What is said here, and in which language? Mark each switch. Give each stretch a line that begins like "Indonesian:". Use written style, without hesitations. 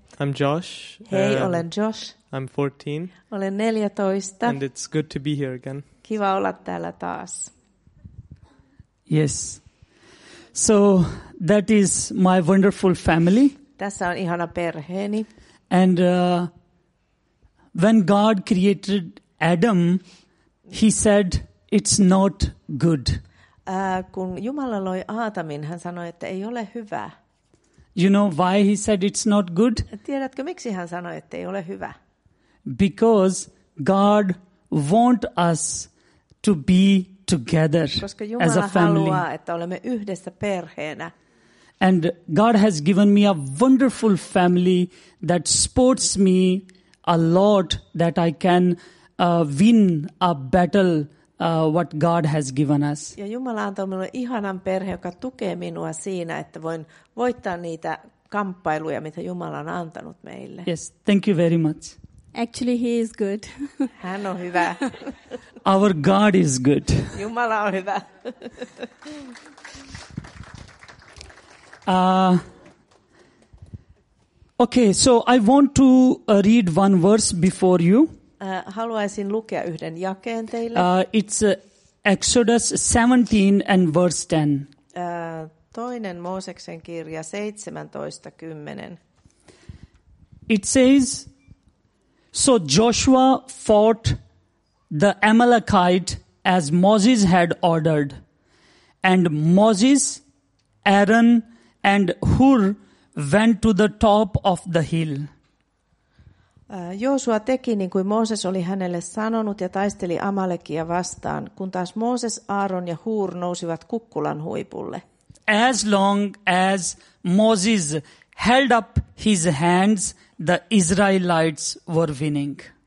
English: Hello, I'm Josh.
Finnish: Hei, olen Josh.
English: I'm 14.
Finnish: Olen 14.
English: And it's good to be here again.
Finnish: Kiva olla täällä taas.
English: Yes. So that is my wonderful family.
Finnish: Tässä on ihana perheeni.
English: And when God created Adam, he said, it's not good.
Finnish: Kun Jumala loi Aatamin, hän sanoi, että ei ole hyvää.
English: You know why he said it's not good?
Finnish: Tiedätkö miksi hän sanoi, että ei ole hyvä?
English: Because God want us to be together as a family.
Finnish: Koska Jumala haluaa, että olemme yhdessä perheenä.
English: And God has given me a wonderful family that supports me a lot that I can win a battle. What God has given us.
Finnish: Ja Jumala antoi minulle ihanan perhe, joka tukee minua siinä, että voin voittaa niitä kamppailuja, mitä Jumala on antanut meille.
English: Yes, thank you very much. Actually, he is good.
Finnish: Hän on hyvä.
English: Our God is good.
Finnish: Jumala on hyvä.
English: Okay, so I want to read one verse before you.
Finnish: Haluaisin lukea yhden jakeen teille.
English: It's Exodus 17 and verse 10.
Finnish: Toinen Mooseksen kirja 17:10.
English: It says, so Joshua fought the Amalekite as Moses had ordered, and Moses, Aaron and Hur went to the top of the hill.
Finnish: Joosua teki niin kuin Mooses oli hänelle sanonut ja taisteli Amalekia vastaan, kun taas Mooses, Aaron ja Hur nousivat kukkulan huipulle.
English: As long as Moses held up his hands, the Israelites were winning.